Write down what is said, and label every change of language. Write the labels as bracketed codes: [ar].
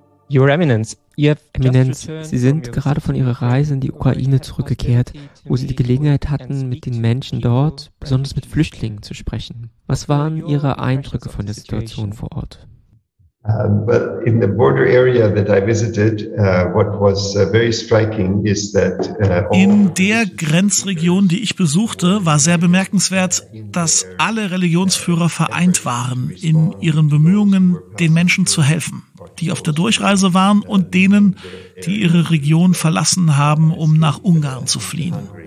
[en] Your Eminence. [de] Ihr Eminenz, Sie sind gerade von Ihrer Reise in die Ukraine zurückgekehrt, wo Sie die Gelegenheit hatten, mit den Menschen dort, besonders mit Flüchtlingen, zu sprechen. Was waren Ihre Eindrücke von der Situation vor Ort? [en] In the border area that I visited, what was very striking is that [de] in der Grenzregion, die ich besuchte, war sehr bemerkenswert, dass alle Religionsführer vereint waren in ihren Bemühungen, den Menschen zu helfen, die auf der Durchreise waren und denen, die ihre Region verlassen haben, um nach Ungarn zu fliehen.